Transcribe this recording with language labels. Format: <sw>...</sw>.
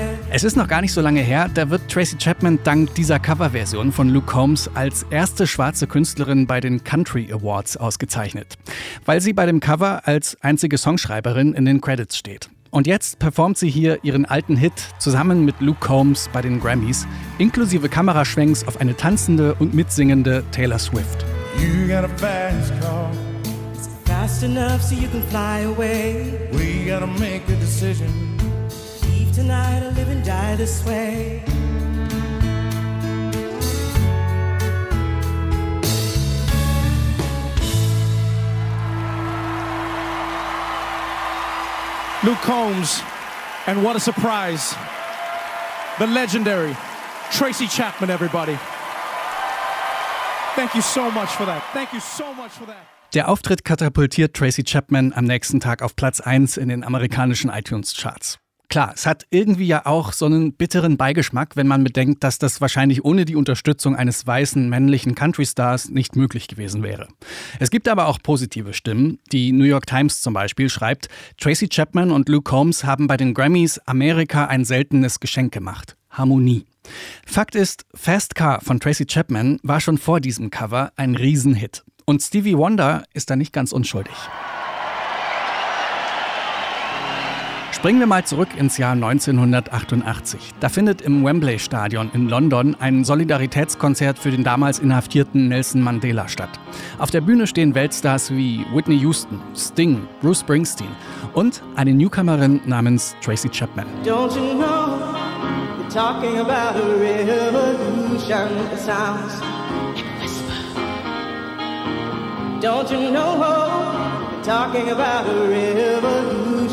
<de>Es ist noch gar nicht so lange her, da wird Tracy Chapman dank dieser Coverversion von Luke Combs als erste schwarze Künstlerin bei den Country Awards ausgezeichnet, weil sie bei dem Cover als einzige Songschreiberin in den Credits steht. Und jetzt performt sie hier ihren alten Hit zusammen mit Luke Combs bei den Grammys, inklusive Kameraschwenks auf eine tanzende und mitsingende Taylor Swift.</de> <en>You got a fast car. It's fast enough so you can fly away. We gotta make a decision. Leave tonight or live and die this way. Luke Combs, and what a surprise, the legendary Tracy Chapman, everybody. Thank you so much for that. Thank you so much for that.</en> <de>Der Auftritt katapultiert Tracy Chapman am nächsten Tag auf Platz 1 in den amerikanischen iTunes-Charts. Klar, es hat irgendwie ja auch so einen bitteren Beigeschmack, wenn man bedenkt, dass das wahrscheinlich ohne die Unterstützung eines weißen, männlichen Country-Stars nicht möglich gewesen wäre. Es gibt aber auch positive Stimmen. Die New York Times zum Beispiel schreibt, Tracy Chapman und Luke Combs haben bei den Grammys Amerika ein seltenes Geschenk gemacht. Harmonie. Fakt ist, Fast Car von Tracy Chapman war schon vor diesem Cover ein Riesenhit. Und Stevie Wonder ist da nicht ganz unschuldig. Springen wir mal zurück ins Jahr 1988. Da findet im Wembley Stadion in London ein Solidaritätskonzert für den damals inhaftierten Nelson Mandela statt. Auf der Bühne stehen Weltstars wie Whitney Houston, Sting, Bruce Springsteen und eine Newcomerin namens Tracy Chapman.</de> <en>Don't you know, we're talking about a revolution that sounds like a whisper. Don't you know, we're talking about a revolution.</en>